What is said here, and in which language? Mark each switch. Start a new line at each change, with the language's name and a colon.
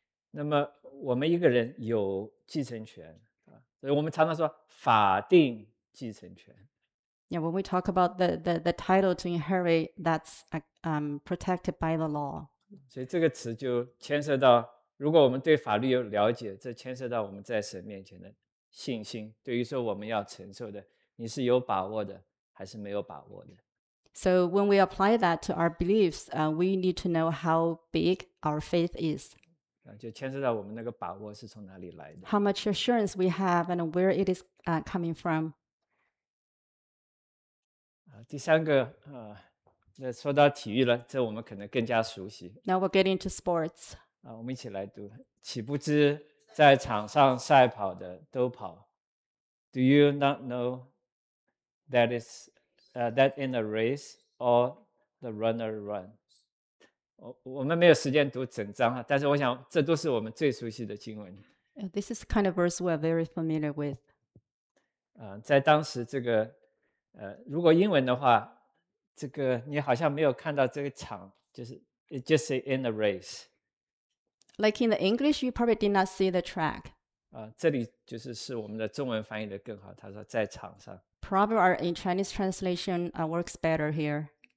Chinese: 那么我们一个人有继承权，所以我们常常说法定继承权。
English: Yeah, when we talk about the title to inherit, that's protected by the law.
Chinese: 所以这个词就牵涉到，如果我们对法律有了解，这牵涉到我们在神面前的信心，对于说我们要承受的，你是有把握的还是没有把握的。
English: So when we apply that to our beliefs, we need to know how big our faith is.
Chinese: 就牵涉到我们那个把握是从哪里来的。
English: How much assurance we have and where it is coming from.
Chinese: 第三个，那说到体育了，这我们可能更加熟悉。
English: Now we'll get into sports.
Chinese: 我们一起来读，岂不知在场上赛跑的都跑。
English: Do you not know that in a race, all the runner runs?
Chinese: 我们没有时间读整章，但是我想这都是我们最熟悉的经文。
English: This is the kind of verse we are very familiar with.
Chinese: 在当时这个，如果英文的话，这个你好像没有看到这个场，就是
English: just say in a race. Like in the English, you probably did not see the track.
Chinese: 这里就是我们的中文翻译的更好，他说在场上。
English: Probably our in Chinese translation works better here.